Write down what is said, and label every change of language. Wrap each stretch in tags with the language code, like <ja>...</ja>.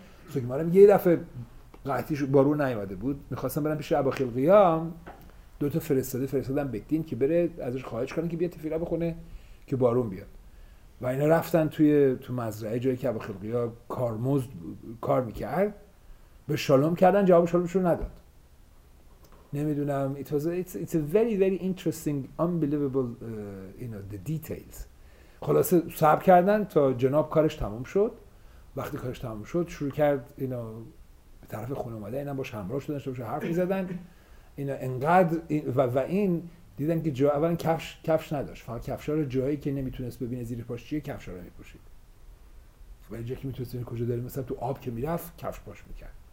<fa>سو گمارا میگه یه دفعه قطعیش بارون نیامده بود, میخواستم برم پیش اباخیلقیا, دوتا فرستادم بدین که بره ازش خواهش کنه که بیاد تفیله بخونه که بارون بیاد. و اینا رفتن تو مزرعه جایی که اباخیلقیا کارمزد کار میکرد, به شالوم کردن جواب شالومشون نداد. نمیدونم.</fa> <en>It's a very very interesting, unbelievable, you know, the details.</en> <fa>خلاصه سب کردن تا جناب کارش تمام شد. وقتی کارش تمام شد شروع کرد اینا به طرف خونه اومده، اینا باش همراه شدن شروع حرف می‌زدن. اینا انقدر و این دیدن که جو اولا کفش نداشت، فقط کفشا رو جایی که نمیتونست ببینه زیر پاش چیه کفشا رو میپوشید، ولی جایی که میتونست ببینه کجا داره مثلا تو آب که میرفت کفش پاش میکرد.</fa>